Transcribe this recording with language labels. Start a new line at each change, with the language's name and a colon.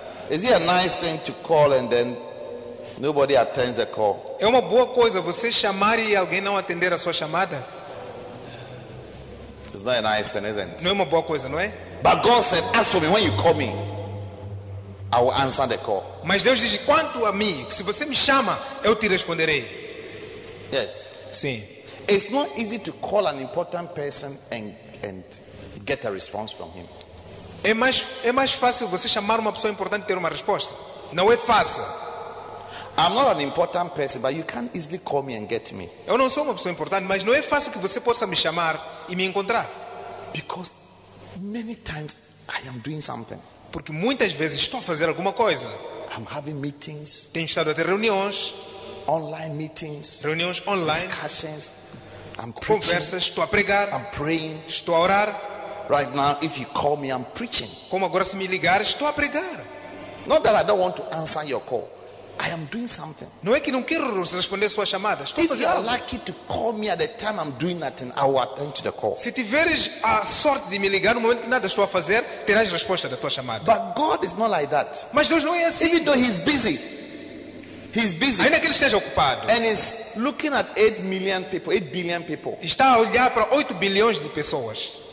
English: Is it a nice thing to call and then nobody attends the call?
Portuguese: É uma boa coisa você chamar e alguém não atender a sua chamada?
English: It's not a nice thing, isn't it?
Portuguese: Não é uma boa coisa, não é?
English: But God said, ask for me when you call me. I will answer the call.
Portuguese: Mas Deus diz, quanto a mim, se você me chama, eu te responderei.
English: Yes.
Portuguese: Sim.
English: It's not easy to call an important person and get a response from him.
Portuguese: É mais fácil você chamar uma pessoa importante e ter uma resposta. Não é fácil.
English: I'm not an important person, but you can easily call me and get me.
Portuguese: Eu não sou uma pessoa importante, mas não é fácil que você possa me chamar e me encontrar.
English: Because many times I am doing something.
Portuguese: Porque muitas vezes estou a fazer alguma coisa.
English: I'm having meetings,
Portuguese: tenho estado a ter reuniões.
English: Online meetings,
Portuguese: reuniões online.
English: Discussions,
Portuguese: conversas. Estou a pregar.
English: I'm praying,
Portuguese: estou a orar.
English: Right now, if you call me, I'm preaching.
Portuguese: Como agora se me ligar, estou a pregar.
English: Not that I don't want to answer your call. I am doing something.
Portuguese: Não é que não quero responder a sua chamada. Estou
English: if
Portuguese: a fazer
English: you are lucky to call me at the time I'm doing nothing, I will attend to the call.
Portuguese: Se tiveres a sorte de me ligar no momento que nada estou a fazer, terás resposta da tua chamada.
English: But God is not like that.
Portuguese: Mas Deus não é assim.
English: Even though He's busy.
Portuguese: Ainda que ele esteja ocupado.
English: And is looking at 8 billion people.
Portuguese: Está a olhar para 8 bilhões de pessoas.